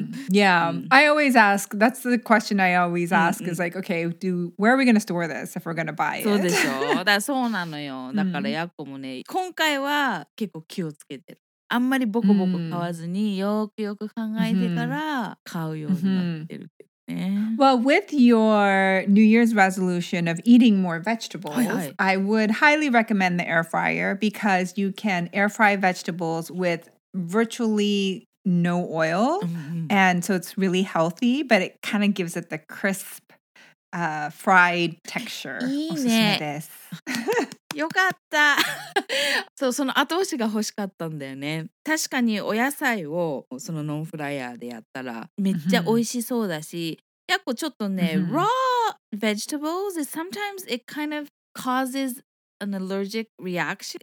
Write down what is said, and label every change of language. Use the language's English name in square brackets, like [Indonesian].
[English] Yeah, I always ask, that's the question I always ask, is like, okay, where are we going to store this if we're going to buy it? [Japanese] そうでしょ。だからそうなのよ。だからヤコもね、今回は結構気をつけてる。あんまりボコボコ買わずによくよく考えてから買うようになってる。 [English] Well, with your New Year's resolution of eating more vegetables, I would highly recommend the air fryer because you can air fry vegetables with virtually no oil. Mm-hmm. And so it's really healthy, but it kind of gives it the crisp, fried texture. [Japanese] いいね。おすすめです。よかった。そう、その後押しが欲しかったんだよね。確かにお野菜をそのノンフライヤーでやったらめっちゃ美味しそうだし、やっぱちょっとね、 [English] raw vegetables, sometimes it kind of causes an allergic reaction.